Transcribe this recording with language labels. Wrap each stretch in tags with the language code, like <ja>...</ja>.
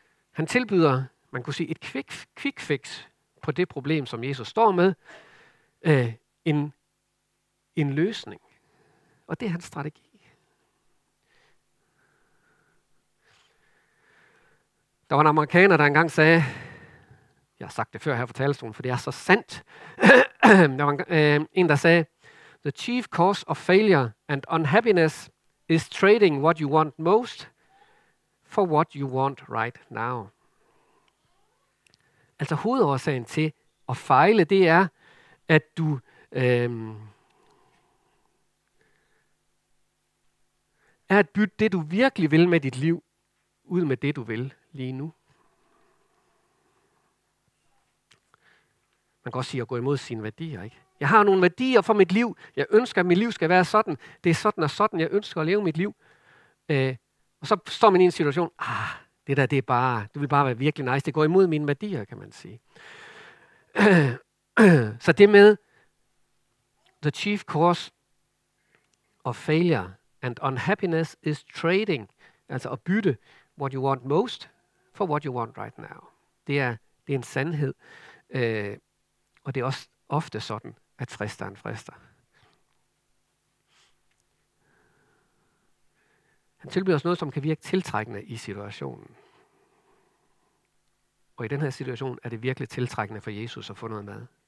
<da>Han tilbyder, man kunne sige, et quick fix på det problem, som Jesus står med, en løsning. Og det er hans strategi. Der var en amerikaner, der engang sagde, jeg har sagt det før her fra talerstolen, for det er så sandt. Der var en, der sagde,</da> <en>the chief cause of failure and unhappiness is trading what you want most for what you want right now.</en> <da>Altså hovedårsagen til at fejle, det er, at du... er at bytte det, du virkelig vil med dit liv, ud med det, du vil lige nu. Man kan også sige at gå imod sine værdier, ikke? Jeg har nogle værdier for mit liv. Jeg ønsker, at mit liv skal være sådan. Det er sådan og sådan, jeg ønsker at leve mit liv. Og så står man i en situation. Ah, det der, det er bare, det vil bare være virkelig nice. Det går imod mine værdier, kan man sige. Så det med</da> <en>the chief cause of failure and unhappiness is trading,</en> <da>altså at bytte</da> <en>what you want most for what you want right now.</en> <da>Det er en sandhed, og det er også ofte sådan, at fristeren frister. Han tilbyder os noget, som kan virke tiltrækkende i situationen. Og i den her situation er det virkelig tiltrækkende for Jesus at få noget mad.</da>